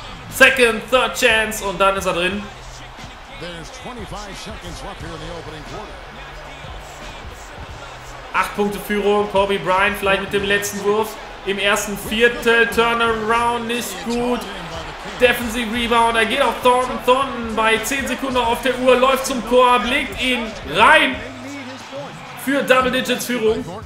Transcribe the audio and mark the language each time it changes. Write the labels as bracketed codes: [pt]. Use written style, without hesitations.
[en] Second, third chance [de] und dann ist er drin. [en] There's 25 seconds left here in the opening quarter. [de] 8 Punkte Führung, Kobe Bryant vielleicht mit dem letzten Wurf im ersten Viertel. Turnaround nicht gut. Defensive Rebound, er geht auf Thornton. Thornton bei 10 Sekunden auf der Uhr, läuft zum Korb, legt ihn rein für Double Digits Führung.